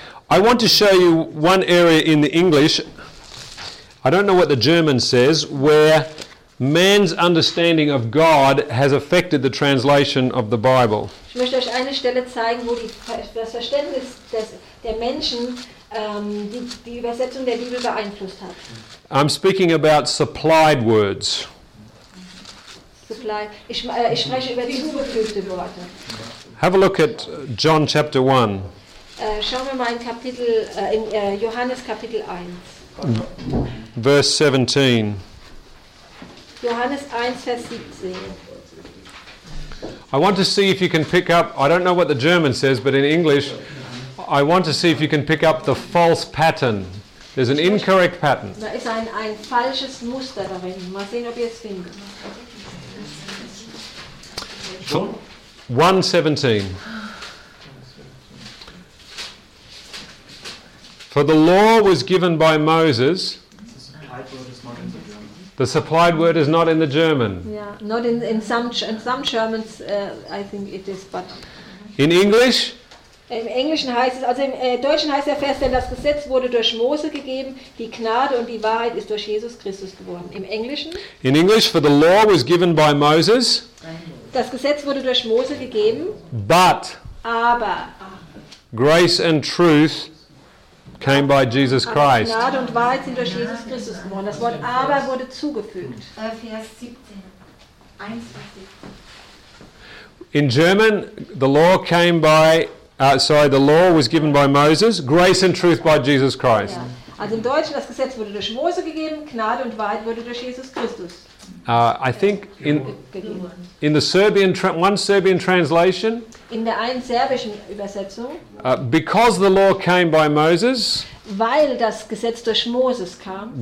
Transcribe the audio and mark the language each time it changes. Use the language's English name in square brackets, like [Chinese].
[English] I want to show you one area in the English, I don't know what the German says, where man's understanding of God has affected the translation of the Bible. [German] Ich möchte euch eine Stelle zeigen, wo das Verständnis der Menschen die Übersetzung der Bibel beeinflusst hat. [English] I'm speaking about supplied words. [German] Ich spreche über zugefügte Worte. [English] Have a look at John chapter 1. [German] Schauen wir mal in Kapitel in Johannes Kapitel 1. [English] Verse 17. [German] Johannes 1 Vers 17. [English] I want to see if you can pick up, I don't know what the German says, but in English I want to see if you can pick up the false pattern. There's an incorrect pattern. [German] Da ist ein falsches Muster darin. Mal sehen, ob ihr es findet. [English] 1:17. For the law was given by Moses. The supplied word is not in the German. Yeah, not in some Germans, I think it is, but. In English? [German] Im Englischen heißt es, also im Deutschen heißt der Vers, denn das Gesetz wurde durch Mose gegeben, die Gnade und die Wahrheit ist durch Jesus Christus geworden. Im Englischen? [English] In English, for the law was given by Moses. [German] Das Gesetz wurde durch Mose gegeben. [English] But. [German] Aber. [English] Grace and truth came by Jesus Christ. [German] Gnade und Wahrheit sind durch Jesus Christus geworden. Das Wort aber wurde zugefügt. Vers 17. 1:17. [English] In German, the law came by, the law was given by Moses, grace and truth by Jesus Christ. [German] Ja. Also im Deutschen, das Gesetz wurde durch Mose gegeben, Gnade und Wahrheit wurde durch Jesus Christus. [English] I think in the Serbian translation, [German] in der einen serbischen Übersetzung, [English] because the law came by Moses, [German] weil das Gesetz durch Moses kam,